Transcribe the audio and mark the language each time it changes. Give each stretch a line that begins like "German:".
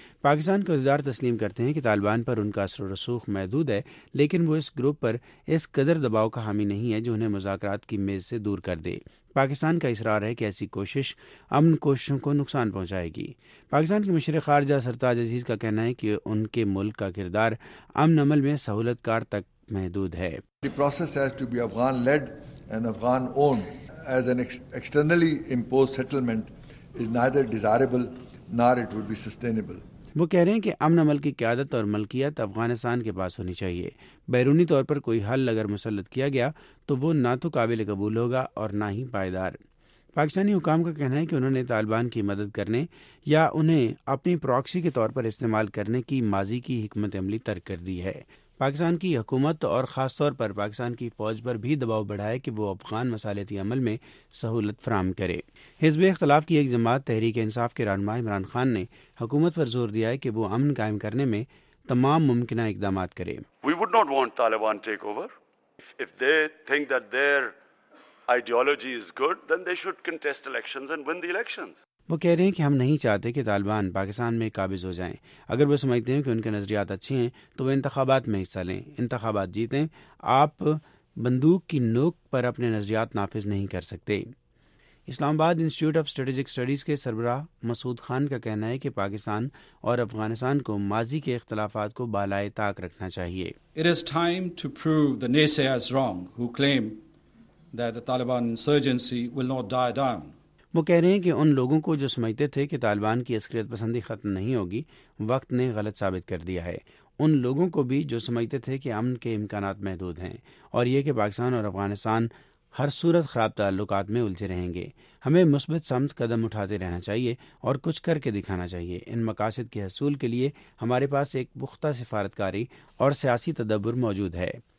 Urdu: پاکستان کے عہدیدار تسلیم کرتے ہیں کہ طالبان پر ان کا اثر و رسوخ محدود ہے، لیکن وہ اس گروپ پر اس قدر دباؤ کا حامی نہیں ہے جو انہیں مذاکرات کی میز سے دور کر دے۔ پاکستان کا اصرار ہے کہ ایسی کوشش امن کوششوں کو نقصان پہنچائے گی۔ پاکستان کے مشیر خارجہ سرتاج عزیز کا کہنا ہے کہ ان کے ملک کا کردار امن عمل میں سہولت کار تک محدود ہے۔
English: The process has to be Afghan led and Afghan owned. As an externally imposed settlement is neither desirable nor it would be sustainable.
Urdu: وہ کہہ رہے ہیں کہ امن عمل کی قیادت اور ملکیت افغانستان کے پاس ہونی چاہیے۔ بیرونی طور پر کوئی حل اگر مسلط کیا گیا تو وہ نہ تو قابل قبول ہوگا اور نہ ہی پائیدار۔ پاکستانی حکام کا کہنا ہے کہ انہوں نے طالبان کی مدد کرنے یا انہیں اپنی پراکسی کے طور پر استعمال کرنے کی ماضی کی حکمت عملی ترک کر دی ہے۔ پاکستان کی حکومت اور خاص طور پر پاکستان کی فوج پر بھی دباؤ بڑھائے کہ وہ افغان مصالحتی عمل میں سہولت فراہم کرے۔ حزب اختلاف کی ایک جماعت تحریک انصاف کے رہنما عمران خان نے حکومت پر زور دیا ہے کہ وہ امن قائم کرنے میں تمام ممکنہ اقدامات کرے۔
English: We would not want Taliban take over. If they think that their ideology is good, then they should contest elections and win the elections.
Urdu: وہ کہہ رہے ہیں کہ ہم نہیں چاہتے کہ طالبان پاکستان میں قابض ہو جائیں۔ اگر وہ سمجھتے ہیں کہ ان کے نظریات اچھے ہیں تو وہ انتخابات میں حصہ لیں، انتخابات جیتیں۔ آپ بندوق کی نوک پر اپنے نظریات نافذ نہیں کر سکتے۔ اسلام آباد انسٹیٹیوٹ آف اسٹریٹجک اسٹڈیز کے سربراہ مسعود خان کا کہنا ہے کہ پاکستان اور افغانستان کو ماضی کے اختلافات کو بالائے طاق رکھنا چاہیے۔
English: It is time to prove the naysayers wrong who claim that the Taliban insurgency will not die down.
Urdu: وہ کہہ رہے ہیں کہ ان لوگوں کو جو سمجھتے تھے کہ طالبان کی عسکریت پسندی ختم نہیں ہوگی، وقت نے غلط ثابت کر دیا ہے۔ ان لوگوں کو بھی جو سمجھتے تھے کہ امن کے امکانات محدود ہیں اور یہ کہ پاکستان اور افغانستان ہر صورت خراب تعلقات میں الجھے رہیں گے، ہمیں مثبت سمت قدم اٹھاتے رہنا چاہیے اور کچھ کر کے دکھانا چاہیے۔ ان مقاصد کے حصول کے لیے ہمارے پاس ایک پختہ سفارتکاری اور سیاسی تدبر موجود ہے۔